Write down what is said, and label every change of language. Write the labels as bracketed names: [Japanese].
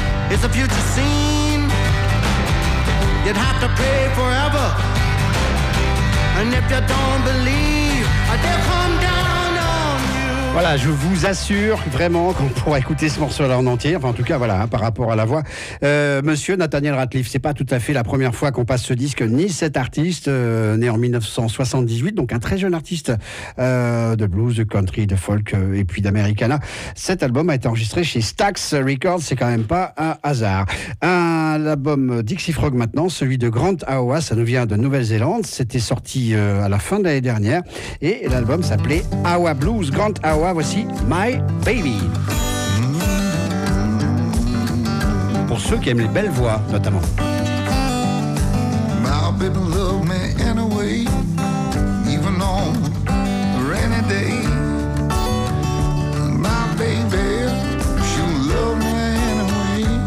[English] Is the future seen? You'd have to pay forever And if you don't believe, they'll come down on you. [French] Voilà, je vous assure vraiment qu'on pourra écouter ce morceau-là en entier. Enfin, en tout cas, voilà, hein, par rapport à la voix. Monsieur Nathaniel Ratcliffe, c'est pas tout à fait la première fois qu'on passe ce disque, ni cet artiste, né en 1978, donc un très jeune artiste de blues, de country, de folk et puis d'americana. Cet album a été enregistré chez Stax Records, c'est quand même pas un hasard. Un album Dixie Frog maintenant, celui de Grant Awa, ça nous vient de Nouvelle-Zélande. C'était sorti à la fin de l'année dernière. Et l'album s'appelait Awa Blues, Grant Awa. Ah ouais, voici My Baby. Pour ceux qui aiment les belles voix, notamment. [English] My baby loved me anyway, even on a rainy day. My baby, she loved me anyway.